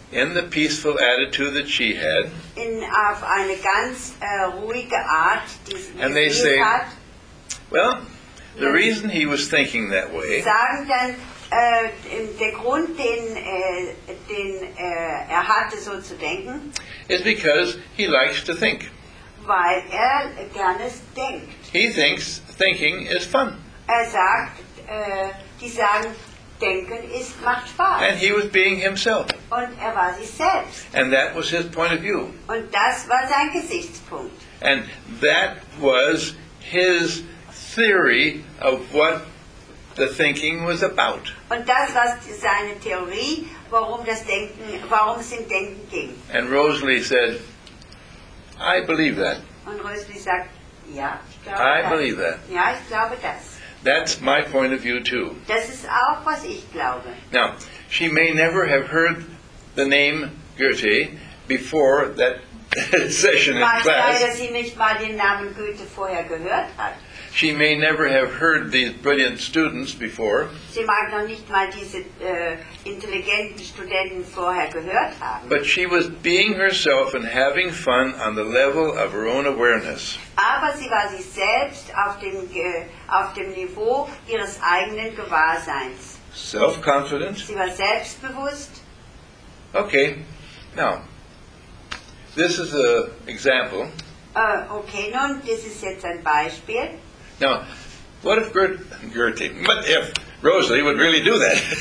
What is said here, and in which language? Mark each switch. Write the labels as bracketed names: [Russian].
[English] In the peaceful attitude that she had. [German] Auf eine ganz ruhige Art, die sie hat. [English] And they say, well, the reason he was thinking that way. [German] Sagen dann, der Grund, den er hatte, so zu denken, [English] is because he likes to think. [German] Weil er gerne denkt. [English] He thinks thinking is fun. [German] Er sagt, die sagen, denken ist, macht Spaß. [English] And he was being himself. [German] Und er war sich selbst. [English] And that was his point of view. [German] Und das war sein Gesichtspunkt. [English] And that was his theory of what the thinking was about. [German] Und das war seine Theorie, warum das Denken, warum es im Denken ging. [English] And Rosalie said, I believe that. [German] Und Rosalie sagt, ja, [English] I believe that. [German] Ja, ich glaube das. [English] That's my point of view too. [German] Das ist auch, was ich glaube. [English] Now, she may never have heard the name Goethe before that session in class. [German] Weil sie nicht mal den Namen Goethe vorher gehört hat. [English] She may never have heard these brilliant students before. [German] Sie mag noch nicht mal diese intelligenten Studenten vorher gehört haben. [English] But she was being herself and having fun on the level of her own awareness. [German] Aber sie war sich selbst auf dem Niveau ihres eigenen Gewahrseins. [English] Self-confident. [German] Sie war selbstbewusst. [English] Okay. Now, this is an example. [German] Okay, nun, das ist jetzt ein Beispiel. [English] Now, what if what if Rosalie would really do that?